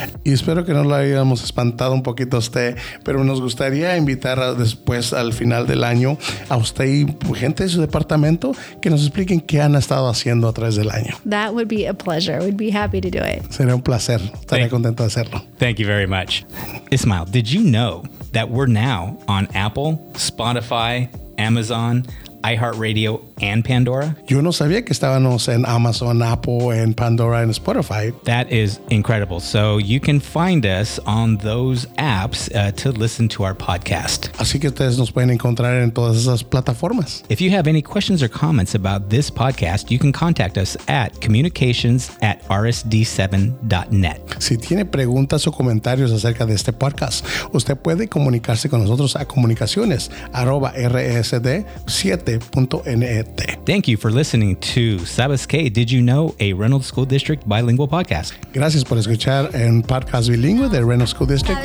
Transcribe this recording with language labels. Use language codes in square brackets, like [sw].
[es] Y espero que no la hayamos espantado un poquito a usted, pero nos gustaría invitar después al final del año a usted y gente de su departamento que nos expliquen qué han estado haciendo a través del año. [en] That would be a pleasure. We'd be happy to do it. [es] Sería un placer. Estaría contento de hacerlo. [en] Thank you very much. Ismael, did you know that we're now on Apple, Spotify, Amazon, iHeartRadio, and Pandora? [es] Yo no sabía que estábamos en Amazon, Apple, and Pandora, and Spotify. [en] That is incredible. So you can find us on those apps to listen to our podcast. [es] Así que ustedes nos pueden encontrar en todas esas plataformas. [en] If you have any questions or comments about this podcast, you can contact us at communications@rsd7.net. [es] Si tiene preguntas o comentarios acerca de este podcast, usted puede comunicarse con nosotros a comunicaciones@rsd7.net. [en] Thank you for listening to Sabes Que, Did You Know, a Reynolds School District bilingual podcast. [es] Gracias por escuchar en podcast bilingüe de Reynolds School District.